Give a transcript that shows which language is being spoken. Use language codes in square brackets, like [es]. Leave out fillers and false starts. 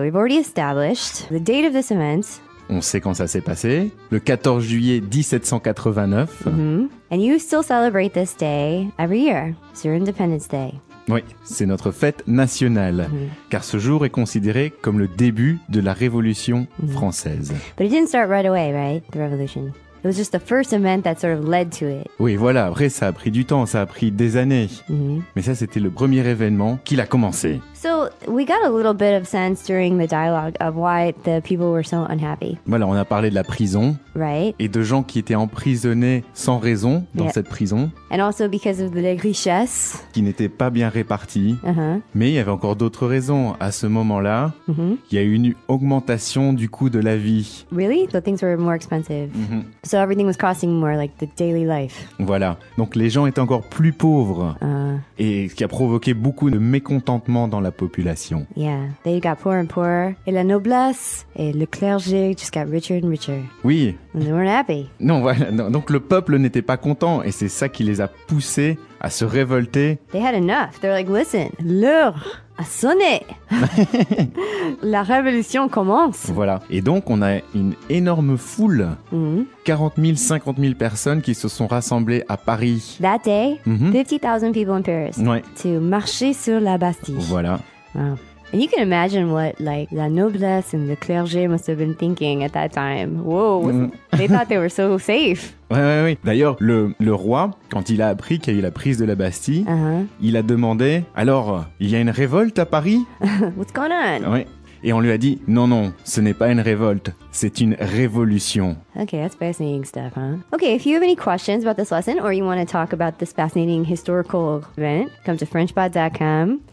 [en] We've already established the date of this event. [fr] On sait quand ça s'est passé. Le 14 juillet 1789. Mm-hmm. [en] And you still celebrate this day every year. It's your Independence Day. [fr] Oui, c'est notre fête nationale, mm-hmm. car ce jour est considéré comme le début de la Révolution mm-hmm. française. [en] But it didn't start right away, right? The revolution. It was just the first event that sort of led to it. [fr] Oui, voilà, après ça a pris du temps, ça a pris des années. Mm-hmm. Mais ça, c'était le premier événement qui l'a commencé. [en] So, we got a little bit of sense during the dialogue of why the people were so unhappy. [fr] Voilà, on a parlé de la prison. [en] Right. [fr] Et de gens qui étaient emprisonnés sans raison dans yeah. cette prison. [en] And also because of the richesses. [fr] Qui n'étaient pas bien réparties. Uh-huh. Mais il y avait encore d'autres raisons. À ce moment-là, mm-hmm. il y a eu une augmentation du coût de la vie. [en] Really? So things were more expensive. Mm-hmm. So everything was costing more, like the daily life. [fr] Voilà. Donc les gens étaient encore plus pauvres. Et ce qui a provoqué beaucoup de mécontentement dans la population. [en] Yeah, they got poorer and poorer. [fr] Et la noblesse et le clergé [en] just got richer and richer. [fr] Oui. [en] And they weren't happy. [fr] Non, voilà. Donc le peuple n'était pas content et c'est ça qui les a poussés à se révolter. [en] They had enough. They're like, listen, [fr] l'heure a sonné. La révolution commence. Voilà. Et donc, on a une énorme foule. Mm-hmm. 40 000, 50 000 personnes qui se sont rassemblées à Paris. [en] That day, mm-hmm. 50,000 people in Paris. [fr] Ouais. To marcher sur la Bastille. Voilà. [en] Wow. And you can imagine what like [fr] la noblesse [en] and the clergé must have been thinking at that time. Whoa. They thought they were so safe. [fr] Ouais, ouais, ouais. D'ailleurs, le roi, quand il a appris qu'il y a eu la prise de la Bastille, uh-huh. il a demandé, alors, il y a une révolte à Paris? [en] What's going on? [fr] Ouais. Et on lui a dit, non, non, ce n'est pas une révolte, c'est une révolution. [en] Okay, that's fascinating stuff, huh? Okay, if you have any questions about this lesson, or you want to talk about this fascinating historical event, come to FrenchPod.com.